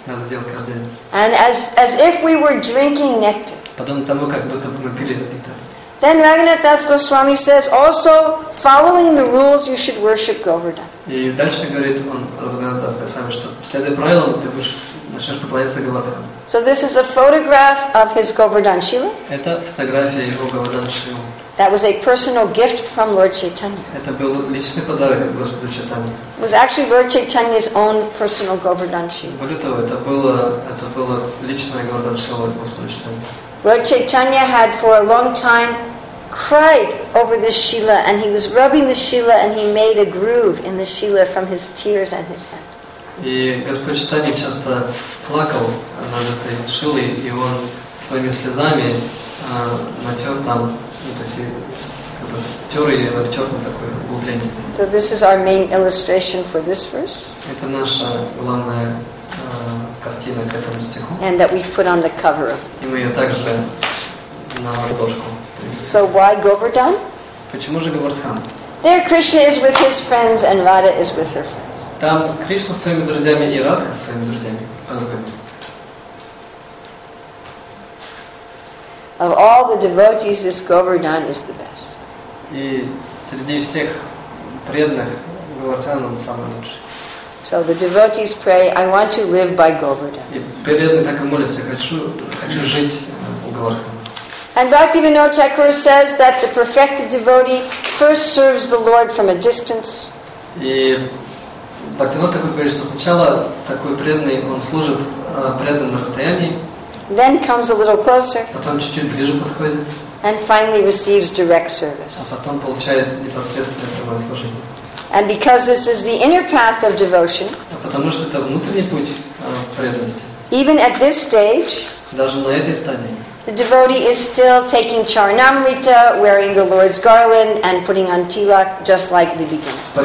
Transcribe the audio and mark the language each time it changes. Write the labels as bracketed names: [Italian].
[Russian] Надо делать каждый день. [English] And as if we were drinking nectar. [Russian] Подобно тому, как будто бы мы пили нектар. [English] Then Raghunath Das Goswami says, also following the rules, you should worship Govardhan. [Russian] И дальше говорит он Раганат Дас Госвами, что следуя правилам, ты будешь начнешь поклоняться Говардхан. [English] So this is a photograph of his Govardhan Shila. [Russian] Это фотография его Говардхан Шилы. [English] That was a personal gift from Lord Chaitanya. [Russian] Это был личный подарок от Господа Чайтаньи. [English] It was actually Lord Chaitanya's own personal Govardhan Shila. [Russian] Более того, это было личное Говардхан Шила от Господа Чайтаньи. [English] Lord Chaitanya had for a long time cried over this Shila, and he was rubbing the Shila, and he made a groove in the Shila from his tears and his hand. [Russian] И Господь Чайтанья часто плакал над этой Шилой, и он своими слезами натер там, ну, то есть тер ее, натер там такое углубление. [English] So this is our main illustration for this verse. [Russian] Это наша главная картина к этому стиху. [English] And that we've put on the cover. [Russian] И мы ее также на обложку. [English] So why Govardhan? [Russian] Почему же Говардхан? [English] There Krishna is with his friends and Radha is with her friends. [Russian] Там Кришна с своими друзьями и Радха с своими друзьями. [English] Of all the devotees, this Govardhan is the best. [Russian] И среди всех преданных Говардхан он самый лучший. [English] So the devotees pray, I want to live by Govardhan. [Russian] И преданные так и молятся, хочу жить у Говардхана. [English] And Bhaktivinoda Thakur says that the perfected devotee first serves the Lord from a distance. [Russian] И Бхактивинода Такур говорит, что сначала такой преданный, он служит преданным на расстоянии. [English] Then comes a little closer. [Russian] Потом чуть-чуть ближе подходит. [English] And finally receives direct service. [Russian] А потом получает непосредственное прямое служение. [English] And because this is the inner path of devotion, [Russian] потому что это внутренний путь преданности. [English] Even at this stage, [Russian] даже на этой стадии, [English] the devotee is still taking charanamrita, wearing the Lord's garland, and putting on tilak, just like the beginning.